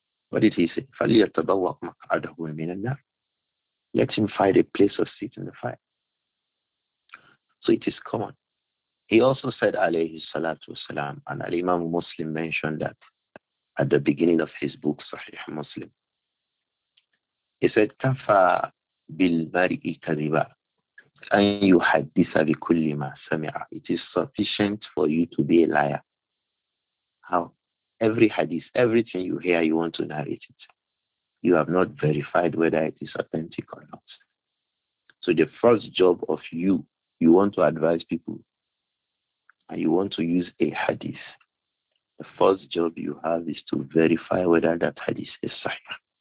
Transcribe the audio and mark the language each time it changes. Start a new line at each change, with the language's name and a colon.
English: What did he say?
Arabic: فَلِيَتَبَوَّقْ مَقْعَدَهُ مِنَ النَّارِ.
English: Let him find a place of seat in the fire. So it is common. He also said, alayhi salatu wasalam, and Al-Imam Muslim mentioned that at the beginning of his book, Sahih Muslim. He said,
Arabic: كَفَى بِالْمَرِئِ كَذِبًا أَنْ يُحَدِّثَ بِكُلِّ مَا سَمِعَ.
English: It is sufficient for you to be a liar. How? Every hadith, everything you hear, you want to narrate it. You have not verified whether it is authentic or not. So the first job of you want to advise people, and you want to use a hadith, the first job you have is to verify whether that hadith is sahih.